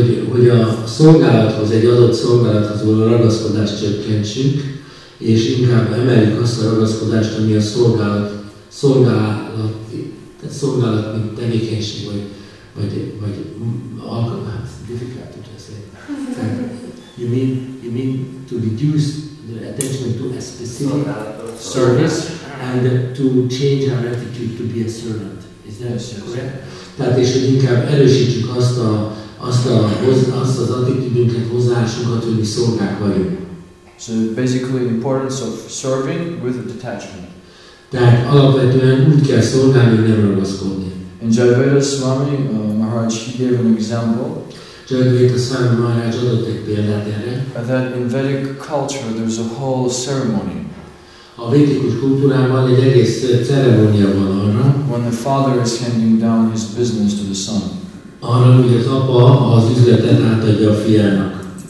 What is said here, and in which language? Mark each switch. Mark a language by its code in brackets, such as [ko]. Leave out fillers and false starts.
[hu] Hogy a szolgálathoz, egy adott szolgálathoz való ragaszkodást csökkentsük, és inkább emeljük azt a ragaszkodást, ami a szolgálati tevékenység, vagy alkalmaz. [en] Difficult to just say. You mean to reduce the attachment to a specific service and to change our attitude to be a servant. Is that correct? [hu] Tehát és hogy inkább erősítsük azt az attitűdünket, hozzáállásunkat, hogy mi szolgák vagyunk. [en] So basically, the importance of serving with a detachment. [hu] Tehát alapvetően úgy kell szolgálni, hogy nem ragaszkodni. [en] And Jayadvaita Swami Maharaj, he gave an example. [hu] Jayadvaita Swami Maharaj adott egy példát erre. [en] That in Vedic culture, there's a whole ceremony. [hu] A védikus kultúrában egy egész ceremónia van arra. [en] When the father is handing down his business to the son. [hu] Arra, hogy az apa az üzletet átadja a fiának.